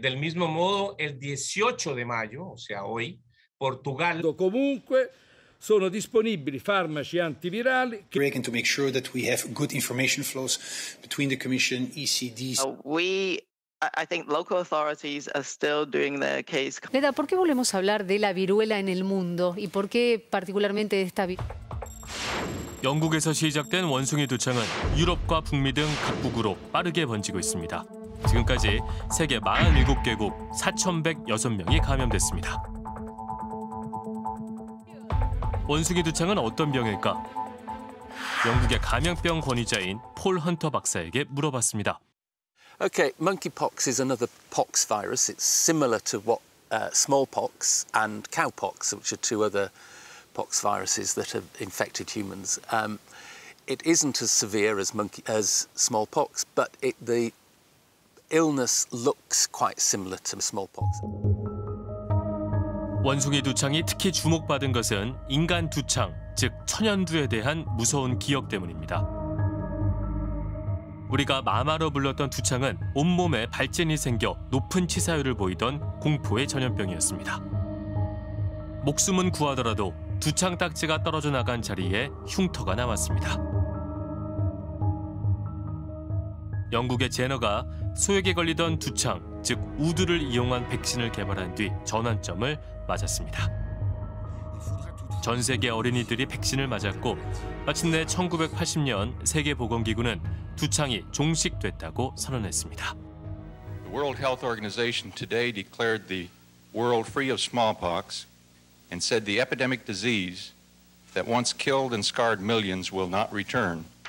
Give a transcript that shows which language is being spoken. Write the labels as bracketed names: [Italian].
[Spanish] Del mismo modo el 18 de mayo, o sea, hoy, Portugal [Italian] comunque sono disponibili farmaci antivirali. [English] We're going to make sure that we have good information flows between the commission ECDs. I think local authorities are still doing their case. [Spanish] Leda, ¿por qué volvemos a hablar de la viruela en el mundo y por qué particularmente de esta? [Korean] 영국에서 시작된 원숭이 두창은 유럽과 북미 등 각국으로 빠르게 번지고 있습니다. 지금까지 세계 47개국 4,106명이 감염됐습니다. 원숭이 두창은 어떤 병일까? 영국의 감염병 권위자인 폴 헌터 박사에게 물어봤습니다. [English] Okay, monkeypox is another pox virus. It's similar to what smallpox and cowpox, which are two other pox viruses that have infected humans. It isn't as severe as smallpox, but the illness looks quite similar to smallpox. [Korean] 원숭이 두창이 특히 주목받은 것은 인간 두창, 즉 천연두에 대한 무서운 기억 때문입니다. 우리가 마마로 불렀던 두창은 온몸에 발진이 생겨 높은 치사율을 보이던 공포의 전염병이었습니다. 목숨은 구하더라도 두창 딱지가 떨어져 나간 자리에 흉터가 남았습니다. 영국의 제너가 소액에 걸리던 두창, 즉 우두를 이용한 백신을 개발한 뒤 전환점을 맞았습니다. 전 세계 어린이들이 백신을 맞았고 마침내 1980년 세계보건기구는 두창이 종식됐다고 선언했습니다. [English] The World Health Organization today declared the world free of smallpox and said the epidemic disease that once killed and scarred millions will not return.